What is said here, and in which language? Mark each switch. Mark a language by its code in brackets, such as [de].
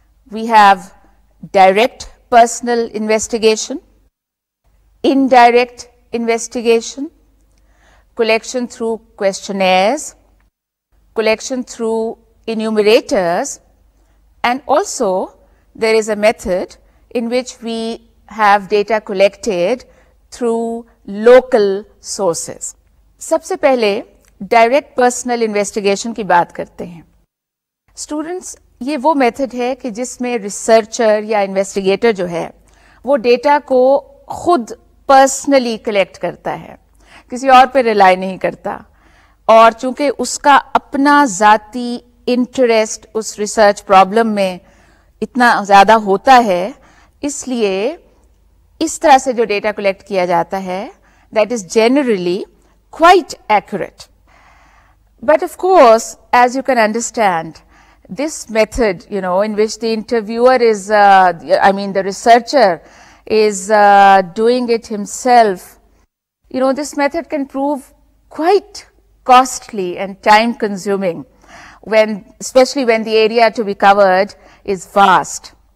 [en] We have direct personal investigation, indirect investigation, collection through questionnaires, collection through enumerators, and also there is a method in which we have data collected through local sources. [ur] سب سے پہلے direct personal investigation کی بات کرتے ہیں. Students, یہ وہ method ہے کہ جس میں ریسرچر یا انویسٹیگیٹر جو ہے وہ ڈیٹا کو خود پرسنلی کلیکٹ کرتا ہے, کسی اور پہ ریلائی نہیں کرتا, اور چونکہ اس کا اپنا ذاتی انٹرسٹ اس ریسرچ پرابلم میں اتنا زیادہ ہوتا ہے, اس لیے اس طرح سے جو ڈیٹا کلیکٹ کیا جاتا ہے that is generally quite accurate. [en] But of course as you can understand this method, you know, in which the interviewer is I mean the researcher is doing it himself, you know, this method can prove quite costly and time consuming when especially when the area to be covered is vast.